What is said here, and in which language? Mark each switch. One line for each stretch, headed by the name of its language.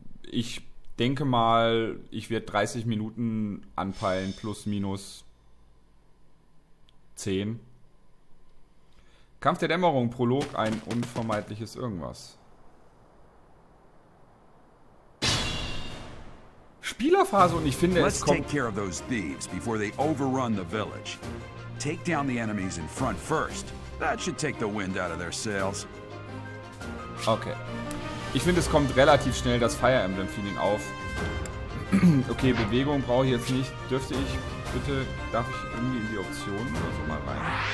German: Ich denke mal, ich werde 30 Minuten anpeilen, plus minus 10. Kampf der Dämmerung, Prolog, ein unvermeidliches Irgendwas. Spielerphase und ich finde, es kommt...
English: Let's take care of those thieves before they overrun the village. Take down the enemies in front first. That should take the wind out of their sails. Okay.
German: Ich finde, es kommt relativ schnell das Fire Emblem-Feeling auf. Okay, Bewegung brauche ich jetzt nicht. Dürfte ich bitte... Darf ich irgendwie in die Optionen oder so mal rein?